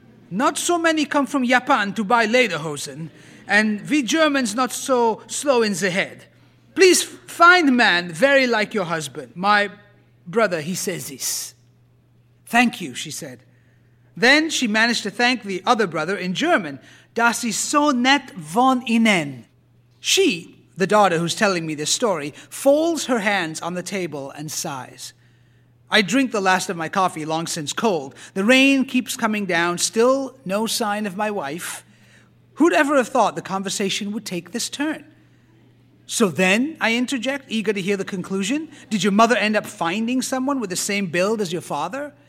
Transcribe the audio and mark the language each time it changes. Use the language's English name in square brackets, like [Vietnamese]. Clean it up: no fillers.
[English] Not so many come from Japan to buy lederhosen, and we Germans not so slow in the head. Please find man very like your husband. My brother, he says this. Thank you, she said. Then she managed to thank the other brother in German. [German] Das ist so nett von Ihnen. [English] She, the daughter who's telling me this story, folds her hands on the table and sighs. I drink the last of my coffee, long since cold. The rain keeps coming down, still no sign of my wife. Who'd ever have thought the conversation would take this turn? So then, I interject, eager to hear the conclusion, did your mother end up finding someone with the same build as your father?